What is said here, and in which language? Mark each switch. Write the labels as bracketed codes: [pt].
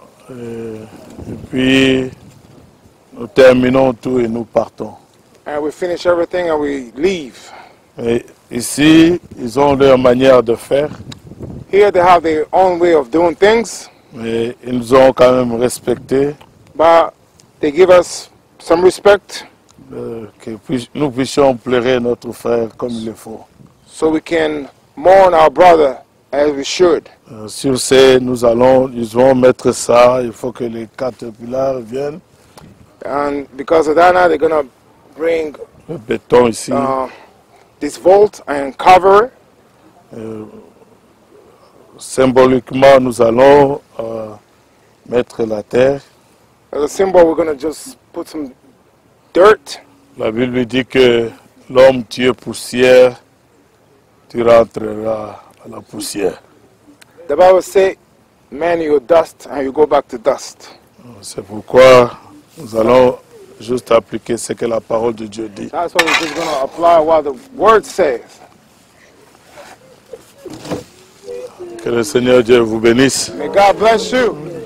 [fr] Et puis nous terminons tout et nous partons. [en] And we finish everything and we leave. [fr] Et ici, ils ont leur manière de faire. [en] Here they have their own way of doing things. [fr] Mais ils nous ont quand même respecté. [en] But they give us some respect. [fr] Que nous puissions pleurer notre frère comme il le faut. [en] So we can mourn our brother. As we should. [fr] Sur ces, nous allons, ils vont mettre ça. Il faut que les caterpillars viennent. [en] And because of that, now they're gonna bring [fr] le béton ici. [en] This vault and cover. [fr] Symboliquement, nous allons mettre la terre. [en] As a symbol, we're gonna just put some dirt. [fr] La Bible dit que l'homme tue poussière, tu rentreras. La poussière. [en] The Bible says, man, you dust and you go back to dust. [fr] C'est pourquoi nous allons juste appliquer ce que la parole de Dieu dit. [en] That's why we're just going to apply what the word says. [fr] Que le Seigneur Dieu vous bénisse. [en] May God bless you.